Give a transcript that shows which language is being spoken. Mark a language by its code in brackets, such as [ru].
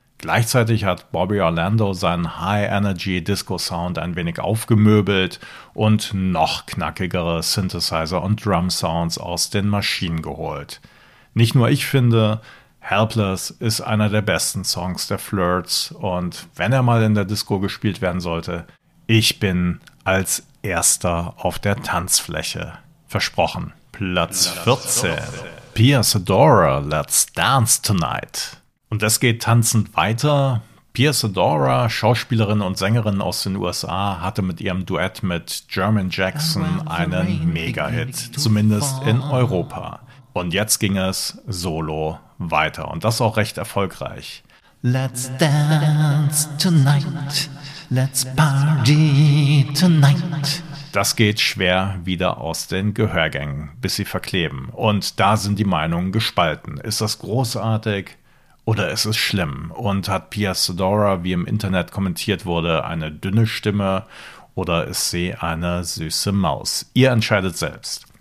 [de] Gleichzeitig hat Bobby Orlando seinen High-Energy-Disco-Sound ein wenig aufgemöbelt und noch knackigere Synthesizer- und Drum-Sounds aus den Maschinen geholt. Nicht nur ich finde, Helpless ist einer der besten Songs der Flirts und wenn er mal in der Disco gespielt werden sollte, ich bin als Erster auf der Tanzfläche. Versprochen. Platz 14. Pierce Adora, Let's Dance Tonight. Und es geht tanzend weiter. Pierce Adora, Schauspielerin und Sängerin aus den USA, hatte mit ihrem Duett mit German Jackson einen Mega-Hit, zumindest in Europa. Und jetzt ging es solo weiter und das auch recht erfolgreich. [en] Let's dance tonight, let's party tonight. [de] Das geht schwer wieder aus den Gehörgängen, bis sie verkleben. Und da sind die Meinungen gespalten. Ist das großartig? Oder ist es schlimm? Und hat Pia Sedora, wie im Internet kommentiert wurde, eine dünne Stimme? Oder ist sie eine süße Maus? Ihr entscheidet selbst.